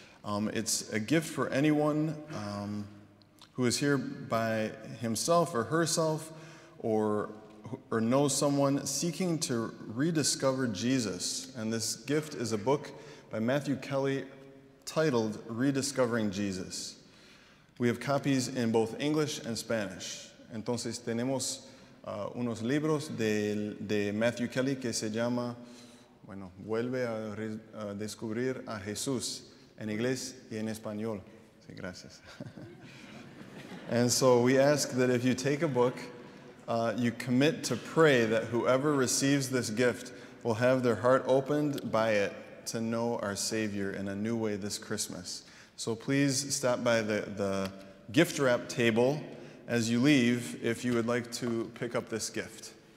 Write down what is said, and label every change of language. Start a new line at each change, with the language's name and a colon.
English: It's a gift for anyone who is here by himself or herself or knows someone seeking to rediscover Jesus. And this gift is a book by Matthew Kelly titled Rediscovering Jesus. We have copies in both English and Spanish.
Spanish: Entonces tenemos unos libros de Matthew Kelly que se llama, bueno, Vuelve a Descubrir a Jesús, en inglés y en español. Sí, gracias.
English: And so we ask that if you take a book, you commit to pray that whoever receives this gift will have their heart opened by it to know our Savior in a new way this Christmas. So please stop by the gift wrap table as you leave if you would like to pick up this gift.